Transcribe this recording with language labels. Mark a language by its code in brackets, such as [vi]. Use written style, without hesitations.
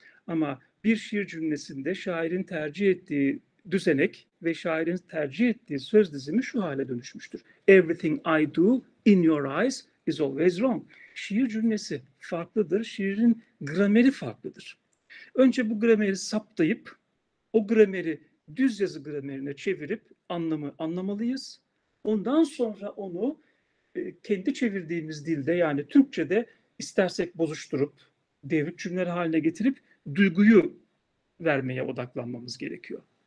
[tr] Ama bir şiir cümlesinde şairin tercih ettiği düzenek ve şairin tercih ettiği söz dizimi şu hale dönüşmüştür. [en] Everything I do in your eyes is always wrong. [tr] Şiir cümlesi farklıdır. Şiirin grameri farklıdır. Önce bu grameri saptayıp, o grameri düz yazı gramerine çevirip anlamı anlamalıyız. Ondan sonra onu kendi çevirdiğimiz dilde, yani Türkçe'de istersek bozuşturup, devrik cümleler haline getirip duyguyu vermeye odaklanmamız gerekiyor.